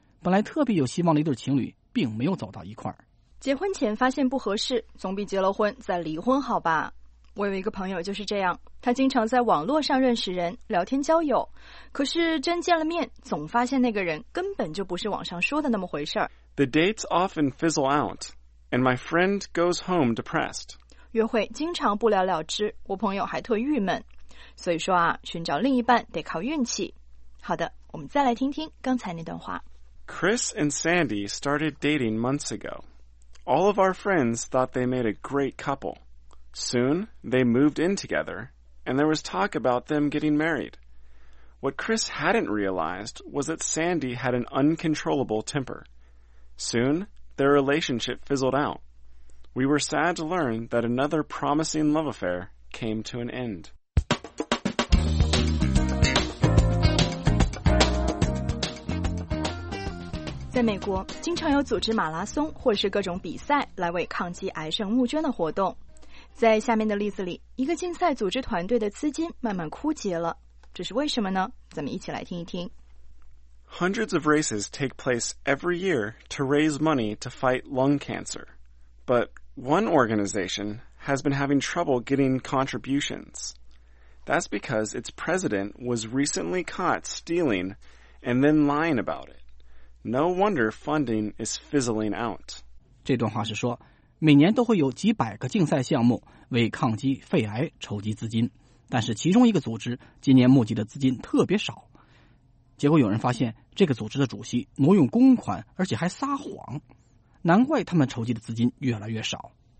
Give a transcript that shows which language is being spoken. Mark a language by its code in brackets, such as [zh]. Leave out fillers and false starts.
[zh] 本来特别有希望的一对情侣并没有走到一块儿。结婚前发现不合适，总比结了婚再离婚好吧。我有一个朋友就是这样，他经常在网络上认识人，聊天交友，可是真见了面，总发现那个人根本就不是网上说的那么回事儿。 [en] The dates often fizzle out, and my friend goes home depressed. [zh] 约会经常不了了之，我朋友还特郁闷。所以说啊，寻找另一半得靠运气。好的，我们再来听听刚才那段话。 [en] Chris and Sandy started dating months ago. All of our friends thought they made a great couple. Soon, they moved in together, and there was talk about them getting married. What Chris hadn't realized was that Sandy had an uncontrollable temper. Soon, their relationship fizzled out. We were sad to learn that another promising love affair came to an end. [zh] 在美国，经常有组织马拉松或是各种比赛来为抗击癌症募捐的活动。在下面的例子里，一个竞赛组织团队的资金慢慢枯竭了，这是为什么呢？咱们一起来听一听。 [en] Hundreds of races take place every year to raise money to fight lung cancer. But one organization has been having trouble getting contributions. That's because its president was recently caught stealing and then lying about it. No wonder funding is fizzling out. [zh] 这段话是说，每年都会有几百个竞赛项目为抗击肺癌筹集资金，但是其中一个组织今年募集的资金特别少。结果有人发现这个组织的主席挪用公款，而且还撒谎，难怪他们筹集的资金越来越少。